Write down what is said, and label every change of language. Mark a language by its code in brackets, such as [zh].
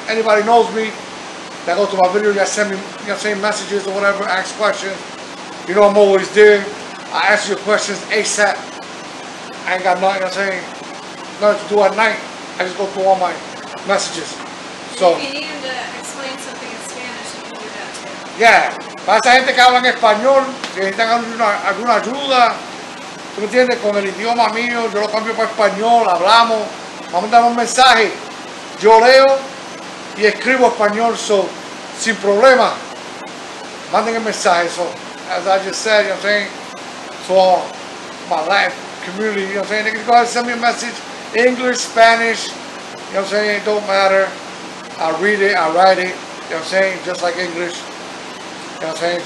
[en] Anybody knows me that goes to my video, that send me, you know what I'm saying, messages or whatever, ask questions. You know I'm always there. I answer your questions ASAP. I ain't got nothing, you know what I'm saying, nothing to do at night. I just go through all my messages. So if you need him to explain something in Spanish, you can do that too. Yeah. [es] Para esa gente que habla en español, si necesitan alguna ayuda, ¿tú me entiendes? Con el idioma mío, yo lo cambio para español, hablamos, vamos a dar un mensaje. Yo leo y escribo español, so, sin problema. Manden el mensaje, [en] so, as I just said, you know what I'm saying? So, my Latin community, you know what I'm saying? They can go ahead and send me a message, English, Spanish, you know what I'm saying? It don't matter. I read it, I write it, you know what I'm saying? Just like English, you know what I'm saying?